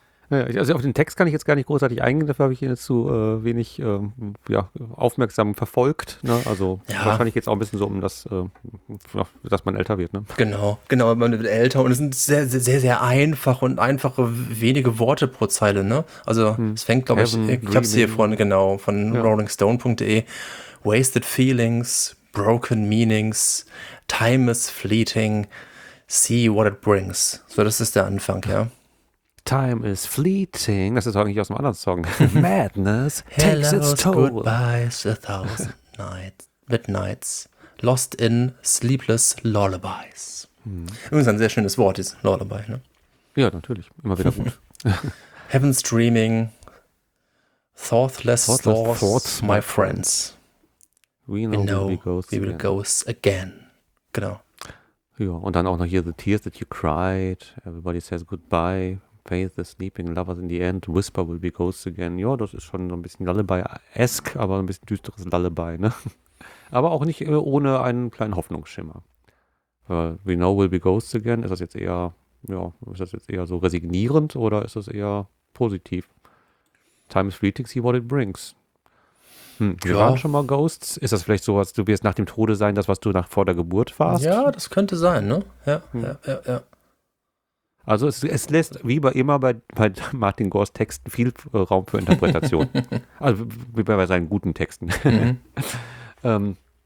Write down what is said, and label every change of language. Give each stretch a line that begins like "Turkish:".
German: Ja. Also auf den Text kann ich jetzt gar nicht großartig eingehen, dafür habe ich ihn jetzt zu wenig aufmerksam verfolgt. Ne? Also wahrscheinlich geht es auch ein bisschen so um das, dass man älter wird. Ne? Genau, man wird älter und es sind sehr, sehr, sehr, sehr einfache, wenige Worte pro Zeile. Ne? Also es fängt, glaube ich, ich habe es hier vorhin, genau, von rollingstone.de.
English: Wasted feelings, broken meanings, time is fleeting, see what it brings.
German: So, das ist der Anfang, ja.
English: Time is fleeting.
German: Das ist eigentlich aus einem anderen Song.
English: Madness takes its toll. Goodbyes, a thousand nights, midnights, lost in sleepless lullabies.
German: Übrigens ein sehr schönes Wort, ist Lullaby, ne? Ja, natürlich. Immer wieder gut.
English: Heaven's dreaming, thoughtless thoughts, my friends. We know we will go again.
German: Genau. Ja, und dann auch noch hier
English: the tears that you cried, everybody says goodbye. Faith is sleeping, lovers in the end, whisper will be ghosts again.
German: Ja, das ist schon so ein bisschen Lullaby-esque, aber ein bisschen düsteres Lullaby, ne? Aber auch nicht ohne einen kleinen Hoffnungsschimmer.
English: We know we'll be ghosts again.
German: Ist das jetzt eher, ist das jetzt eher so resignierend oder ist das eher positiv?
English: Time is fleeting, see what it brings.
German: Wir waren schon mal Ghosts. Ist das vielleicht so, was du wirst nach dem Tode sein, das, was du nach vor der Geburt warst? Ja, das könnte sein, ne? Ja. Also es lässt, wie bei immer bei Martin Gores Texten, viel Raum für Interpretation. Also wie bei seinen guten Texten. Mhm.